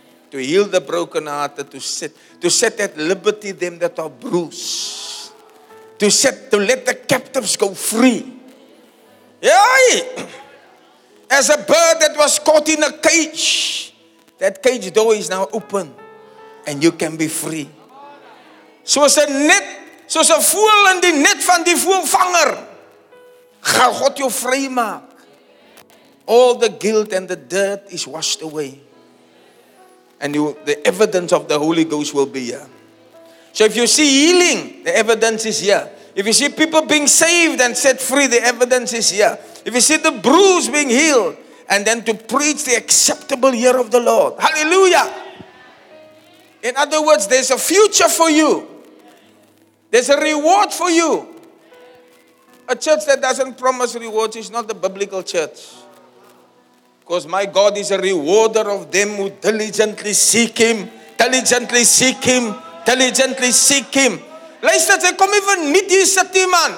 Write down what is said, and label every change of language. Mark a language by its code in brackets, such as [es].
[en] To heal the brokenhearted, to set at liberty them that are bruised. To let the captives go free. Yay! As a bird that was caught in a cage, that cage door is now open and you can be free. [af] Soos 'n voël in die net van die voëlvanger, gaan God jou vry maak. [en] All the guilt and the dirt is washed away. And the evidence of the Holy Ghost will be here. So if you see healing, the evidence is here. If you see people being saved and set free, the evidence is here. If you see the bruise being healed, and then to preach the acceptable year of the Lord. Hallelujah. In other words, there's a future for you. There's a reward for you. A church that doesn't promise rewards is not the biblical church. Because my God is a rewarder of them who diligently seek Him. Diligently seek Him. Diligently seek Him. [af] Luister, sê, kom even niet hier sit hier, man.